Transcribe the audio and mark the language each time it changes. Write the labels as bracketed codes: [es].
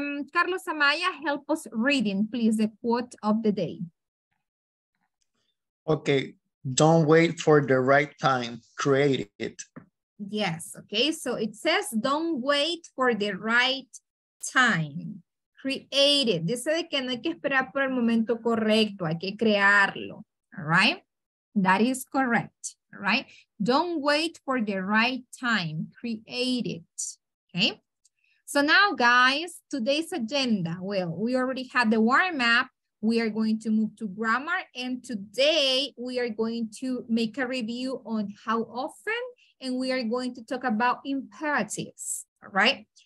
[en] Carlos Amaya, help us reading, please, the quote of the day. Okay, don't wait for the right time, create it. Yes, okay, so it says don't wait for the right time, create it. [es] Dice que no hay que esperar por el momento correcto, hay que crearlo, all right? [en] That is correct, all right? Don't wait for the right time, create it, okay? So now, guys, today's agenda, well, we already had the warm-up. We are going to move to grammar, and today we are going to make a review on how often, and we are going to talk about imperatives, all right?